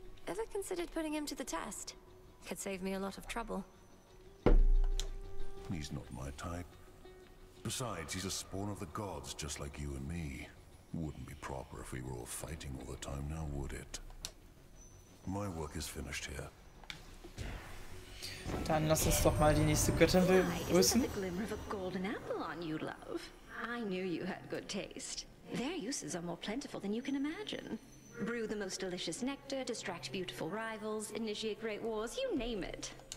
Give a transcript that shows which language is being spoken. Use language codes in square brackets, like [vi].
[en] Ever considered putting him to the test? Could save me a lot of trouble. He's not my type. Besides, he's a spawn of the gods, just like you and me. Wouldn't be proper if we were all fighting all the time now, would it? My work is finished here. [de] Dann lass uns doch mal die nächste Göttin begrüßen. [en] The glimmer of a golden apple on you, love. I knew you had good taste. Their uses are more plentiful than you can imagine. Brew the most delicious nectar, distract beautiful rivals, initiate great wars, you name it.